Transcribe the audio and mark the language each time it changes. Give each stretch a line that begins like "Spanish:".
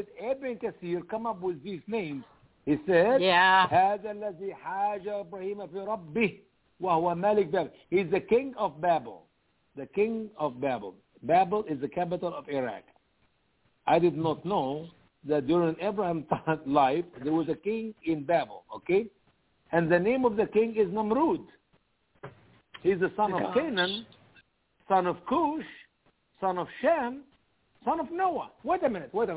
English: Ibn Kathir come up with these names? He said,
Arabic: هَذَا الَّذِي حَاجَ إِبْرَهِيمَ فِي رَبِّهِ وَهُوَ مَلِكَ بَابِلَ.
English: He's the king of Babel. The king of Babel. Babel is the capital of Iraq. I did not know that during Abraham's life, there was a king in Babel, okay? And the name of the king is Namrud. He's the son of Canaan, son of Cush, son of Shem, son of Noah. Wait a minute.